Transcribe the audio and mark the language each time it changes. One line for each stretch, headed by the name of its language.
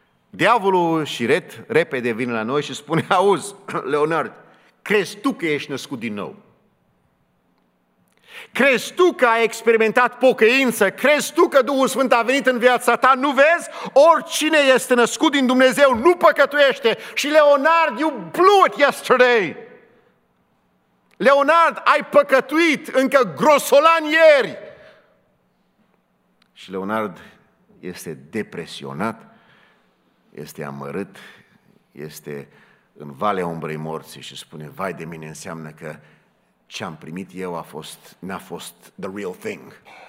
Romanian: Diavolul și repede vine la noi și spune, auzi, Leonard, crezi tu că ești născut din nou? Crezi tu că ai experimentat pocăință? Crezi tu că Duhul Sfânt a venit în viața ta? Nu vezi? Oricine este născut din Dumnezeu nu păcătuiește. Și
English: Leonard, you blew it yesterday.
Romanian: Leonard, ai păcătuit încă grosolan ieri. Și Leonard este depresionat, este amărât, este în valea umbrei morții și spune, vai de mine, înseamnă că ce-am primit eu n-a fost
English: the real thing.